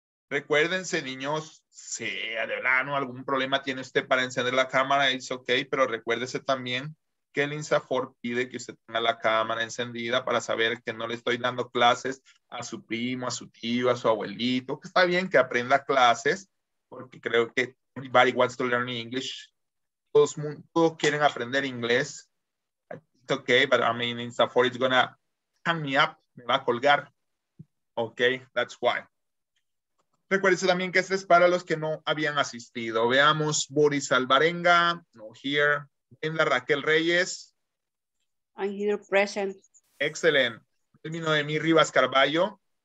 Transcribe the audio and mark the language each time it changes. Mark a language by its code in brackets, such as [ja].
[es] Recuérdense, niños, si de verdad no algún problema tiene usted para encender la cámara, es ok, pero recuérdese también que el INSAFOR pide que usted tenga la cámara encendida para saber que no le estoy dando clases a su primo, a su tío, a su abuelito, que está bien que aprenda clases, porque creo que [en] everybody wants to learn English. [es] Todos quieren aprender inglés. [en] It's okay, but I mean, INSAFOR is gonna hang me up, [es] me va a colgar. [en] Okay, that's why. [es] Recuérdese también que este es para los que no habían asistido. Veamos, Boris Alvarenga, no here. Brenda Raquel Reyes. [en] I'm here present. [es] Excellent. Termino de mi Rivas Carballo.